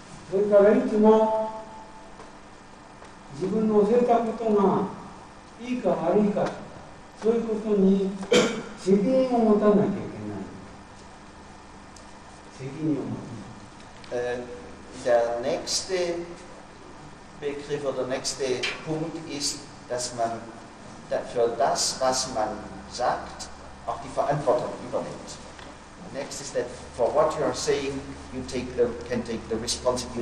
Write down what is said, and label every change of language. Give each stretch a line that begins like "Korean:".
Japanese: それからいつも自分の教えたことがいいか悪いか、そういうことに責任を持たなきゃいけない。責任を持つ。
German: Der nächste Begriff oder der nächste Punkt ist, dass man für das, was man sagt, auch die Verantwortung übernimmt.
English: Next is that for what you are saying, you take the can take the responsibility.